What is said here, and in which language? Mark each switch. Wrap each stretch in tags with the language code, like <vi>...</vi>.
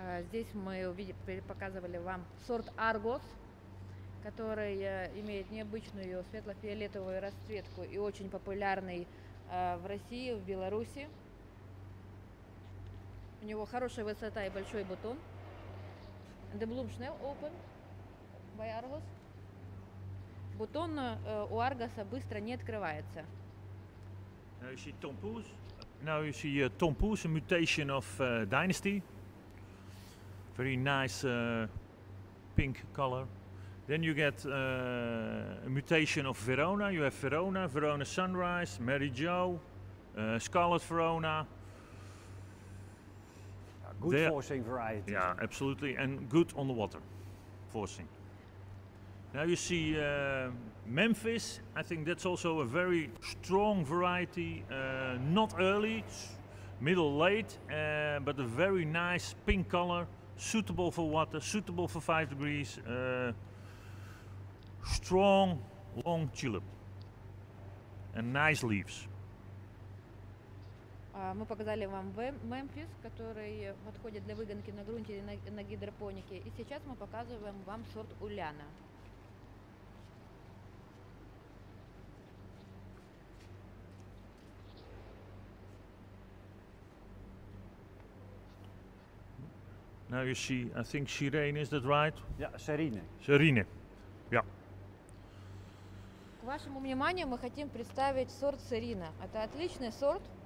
<ru>Здесь мы показывали вам сорт Argos, который имеет необычную светло-фиолетовую расцветку и очень популярный в России, в Беларуси. У него хорошая высота и большой бутон.</ru> <en>The bloom schnell open by Argos.</en> <ru>Бутон у Аргоса быстро не открывается.</ru> <en>Now you see Tompous. Now you see Tompous, a mutation of Dynasty. Very nice pink color. Then you get a mutation of Verona. You have Verona, Verona Sunrise, Mary Jo, Scarlet Verona. Good the forcing variety. Yeah, absolutely, and good on the water forcing. Now you see Memphis. I think that's also a very strong variety, not early, middle late, but a very nice pink color, suitable for water, suitable for 5 degrees, strong, long tulip, and nice leaves.</en> <ru>Мы показали вам Мемфис, который подходит для выгонки на грунте или на гидропонике. И сейчас мы показываем вам сорт Ульяна.</ru> <en>Now you see, I think Sirene, is that right? Yeah, Sirene. Sirene. Yeah.</en> <ru>К вашему вниманию мы хотим представить сорт Sirene. Это отличный сорт.</ru>